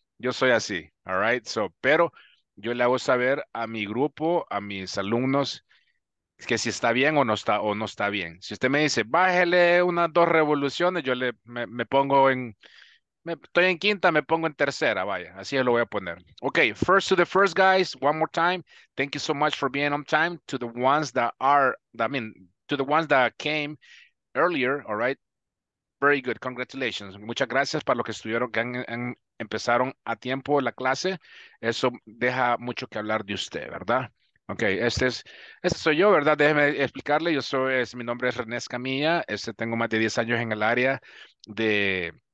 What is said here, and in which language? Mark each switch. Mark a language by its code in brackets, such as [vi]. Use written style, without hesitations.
[es] Yo soy así, [en] all right? So, [es] pero yo le hago saber a mi grupo, a mis alumnos, que si está bien o no está bien. Si usted me dice, bájele unas dos revoluciones, yo estoy en quinta, me pongo en tercera, vaya. Así lo voy a poner. [en] Okay, first to the first, guys. One more time. Thank you so much for being on time. To the ones that came earlier, all right? Very good. Congratulations. [es] Muchas gracias para los que estuvieron, que empezaron a tiempo la clase. Eso deja mucho que hablar de usted, ¿verdad? Okay, este soy yo, ¿verdad? Déjeme explicarle. Mi nombre es René Escamilla. Tengo más de 10 años en el área de...